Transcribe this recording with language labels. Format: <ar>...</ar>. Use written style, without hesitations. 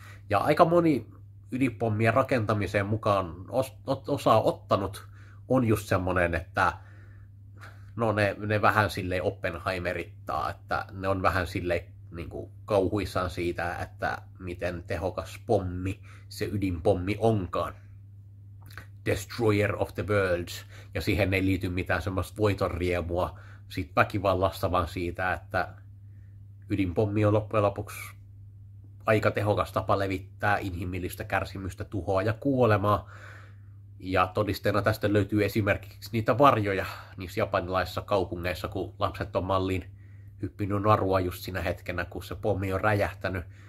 <fi>Ja aika moni ydinpommien rakentamiseen mukaan osaa ottanut on just semmoinen, että no ne vähän silleen Oppenheimerittaa, että ne on vähän silleen niin kuin kauhuissaan siitä, että miten tehokas pommi se ydinpommi onkaan.</fi> <en>Destroyer of the worlds.</en> <fi>Ja siihen ei liity mitään semmoista voitonriemua siitä väkivallasta, vaan siitä, että ydinpommi on loppujen lopuksi aika tehokas tapa levittää inhimillistä kärsimystä, tuhoa ja kuolemaa. Ja todisteena tästä löytyy esimerkiksi niitä varjoja niissä japanilaisissa kaupungeissa, kun lapset on malliin hyppinyt narua just siinä hetkenä, kun se pommi on räjähtänyt.</fi>